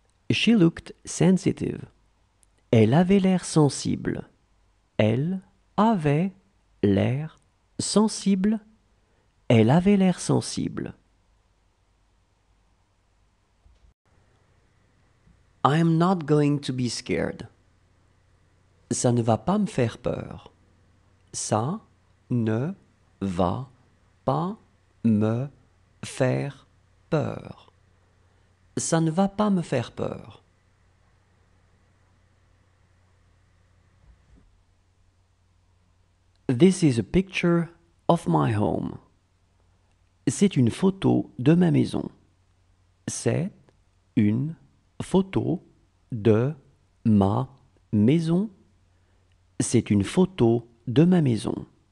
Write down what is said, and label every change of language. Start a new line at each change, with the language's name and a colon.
English: She looked sensitive.
French: Elle avait l'air sensible. Elle avait l'air sensible. Elle avait l'air sensible.
English: I'm not going to be scared.
French: Ça ne va pas me faire peur. Ça ne va pas me faire peur. Ça ne va pas me faire peur.
English: This is a picture of my home.
French: C'est une photo de ma maison. C'est une photo de ma maison. C'est une photo de ma maison.